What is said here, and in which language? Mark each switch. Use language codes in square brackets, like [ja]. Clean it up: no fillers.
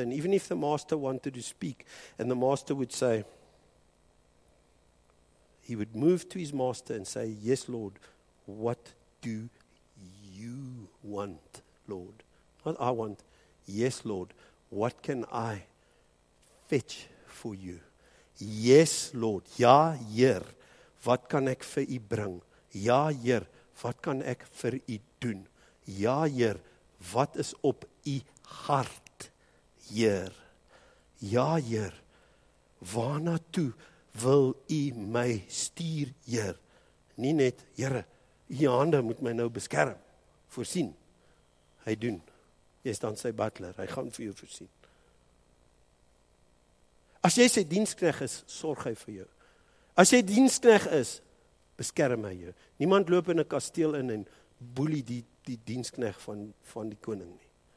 [en] And even if the master wanted to speak, and the master would say, he would move to his master and say, yes, Lord, what do you want, Lord? Not I want, yes, Lord, what can I fetch for you? Yes, Lord, [af] ja, Heer, wat kan ek vir u bring? Ja, Heer, wat kan ek vir u doen? Ja, Heer, wat is op u hart, Heer? Ja, Heer, waarna toe wil u my stuur, Heer? Nie net, Heer, u hande moet my nou beskerm, voorsien. Hy doen. Jy is dan sy butler, hy gaan vir jou voorsien. As jy sy dienskneg is, sorg hy vir jou. As jy dienskneg is, beskerm hy jou. Niemand loop in 'n kasteel in en boelie die dienskneg van die koning nie.